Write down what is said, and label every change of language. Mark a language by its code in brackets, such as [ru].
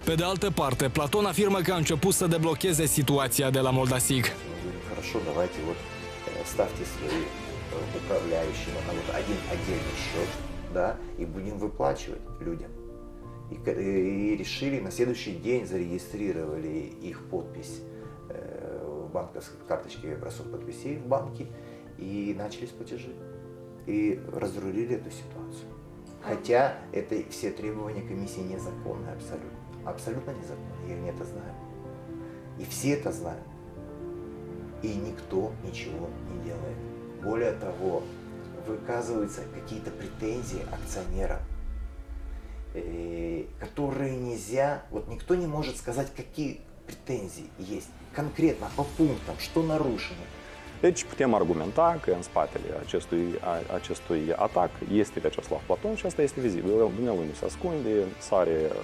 [ro] Pe de altă parte, Platon afirmă că a început să deblocheze situația de la Moldasic. [ru] Хорошо, давайте вот ставьте свои управляющие на вот один отдельный счет, да, и будем выплачивать людям. И решили на следующий день зарегистрировали их подпись в банковской карточке образцов подписей в банке и начались платежи. И разрулили эту ситуацию. Хотя это все требования комиссии незаконные абсолютно. Абсолютно незаконные, я не это знаю. И все это знают. И никто ничего не делает. Более того, выказываются какие-то претензии акционерам, которые нельзя, вот никто не может сказать, какие претензии есть конкретно по пунктам, что нарушено. [ro] Deci putem argumenta că în spatele acestui atac este Vecislav Platon și asta este vizibil. El nu se ascunde, sare